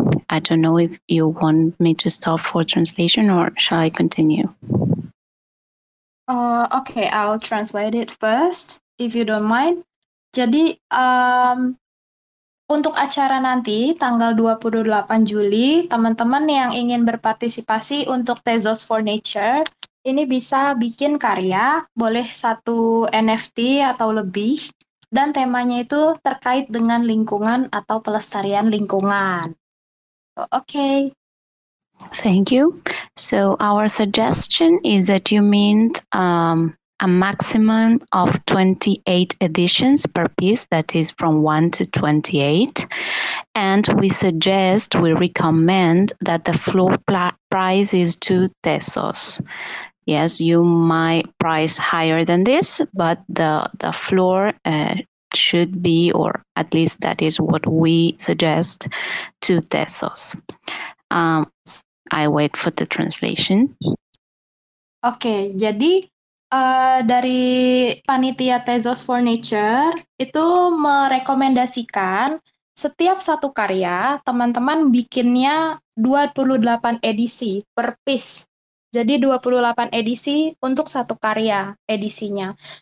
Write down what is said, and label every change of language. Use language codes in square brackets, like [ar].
[en] I don't know if you want me to stop for translation or shall I continue? Okay, I'll translate it first, if you don't mind. [id] Jadi, untuk acara nanti, tanggal 28 Juli, teman-teman yang ingin berpartisipasi untuk Tezos for Nature, ini bisa bikin karya, boleh satu NFT atau lebih, dan temanya itu terkait dengan lingkungan atau pelestarian lingkungan. [en] Okay. Thank you. So our suggestion is that you mint a maximum of 28 editions per piece, that is from 1 to 28. And we recommend that the floor price is 2 tesos. Yes, you might price higher than this, but the floor should be, or at least that is what we suggest, 2 tesos. I wait for the translation. [id] Okay, jadi dari panitia Tezos for Nature itu merekomendasikan setiap satu karya teman-teman bikinnya 28 edisi per piece. Jadi 28 edisi untuk satu karya edisinya.